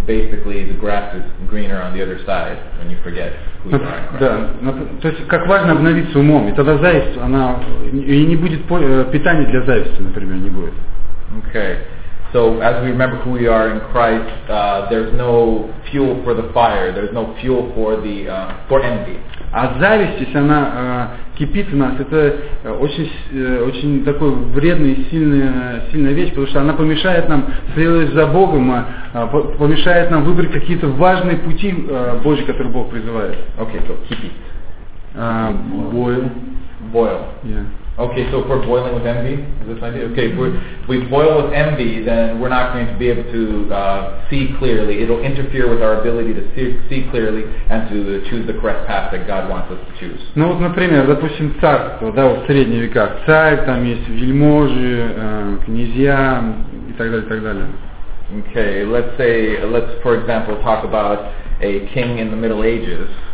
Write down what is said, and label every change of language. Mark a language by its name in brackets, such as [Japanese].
[English] Basically, the grass is greener on the other side when you forget who you are. [Russian] Да, то есть как важно обновиться умом, и тогда зависть, она и не будет питания для зависти, например, не будет. [English] Okay, so as we remember who we are in Christ, there's no fuel for the fire. There's no fuel for the for envy. [Russian] А зависть, если она кипит в нас, это очень такой вредная и сильная вещь, потому что она помешает нам следовать за Богом, помешает нам выбрать какие-то важные пути Божьи, которые Бог призывает. [English] Okay, so кипит. Boil. Yeah. Okay, so if we're boiling with envy, is this idea? Okay, if we boil with envy, then we're not going to be able to see clearly. It'll interfere with our ability to see clearly and to choose the correct path that God wants us to choose. [Russian] Ну вот, например, допустим, царство, да, вот в средние века. Царь, там есть вельможи, князья и так далее, и так далее. [English] Okay, let's, for example, talk about a king in the Middle Ages.